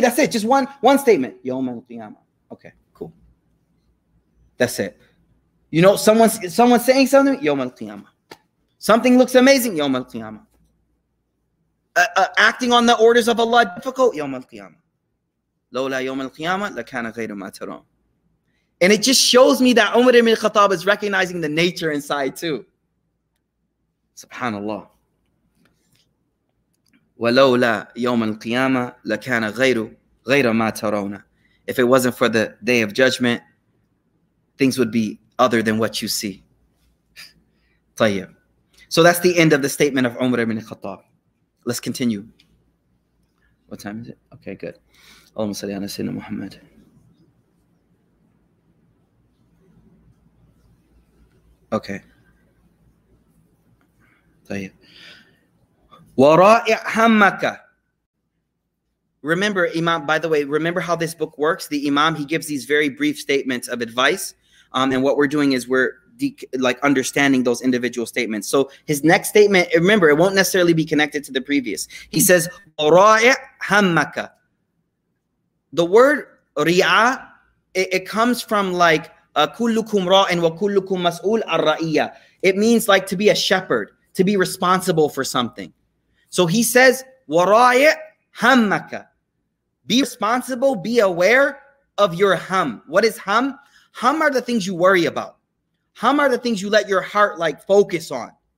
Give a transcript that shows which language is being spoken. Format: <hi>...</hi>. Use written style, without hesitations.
<en>That's it, just one statement. Yom Al Qiyamah. Okay, cool. That's it. You know, someone's saying something, Yom Al Qiyamah. Something looks amazing, Yom Al Qiyamah. Acting on the orders of Allah, difficult, يوم القيامة.</en> <ar>لولا يوم القيامة لكان غير ما ترون.</ar> <en>And it just shows me that Umar ibn Khattab is recognizing the nature inside too. SubhanAllah.</en> <ar>ولولا يوم القيامة لكان غير ما ترون.</ar> <en>If it wasn't for the day of judgment, things would be other than what you see.</en> <ar>طيب.</ar> <en>So that's the end of the statement of Umar ibn Khattab. Let's continue. What time is it? Okay, good.</en> <ar>Allahumma salli ala Sayyidina Muhammad.</ar> <en>Okay.</en> <ar>Tayyib. Wara'i' hammaka.</ar> <en>Remember, Imam, by the way, remember how this book works? The Imam, he gives these very brief statements of advice. And what we're doing is we're like understanding those individual statements. So his next statement, remember, it won't necessarily be connected to the previous. He says,</en> <ar>"Ra'i' hammaka."</ar> <en>The word ri'a, it comes from like</en> <ar>كلكم راء وكلكم مسؤول الرعية.</ar> <en>It means like to be a shepherd, to be responsible for something. So he says,</en> <ar>وَرَاعِ هَمَّكَ.</ar> <en>Be responsible, be aware of your hum. What is hum? Hum are the things you worry about. Hum are the things you let your heart like focus on.</en>